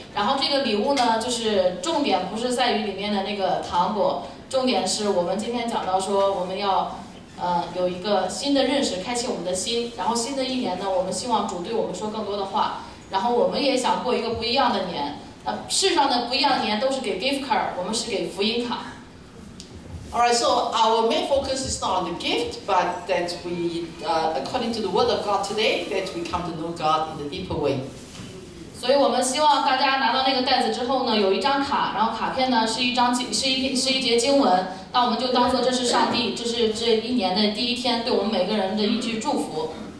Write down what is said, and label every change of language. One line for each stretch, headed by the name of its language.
Chinese: 然后这个礼物呢，就是重点不是在于里面的那个糖果，重点是我们今天讲到说我们要有一个新的认识，开启我们的心。然后新的一年呢，我们希望主对我们说更多的话，然后我们也想过一个不一样的年。世上的不一样年都是给 gift card， 我们是给福音卡。
English: Alright, so our main focus is not on the gift, but that we, according to the word of God today, that we come to know God in a deeper way.
Chinese: 所以我们希望大家拿到那个袋子之后呢，有一张卡，然后卡片呢是一张是一节经文，那我们就当做这是上帝，这是这一年的第一天对我们每个人的一句祝福。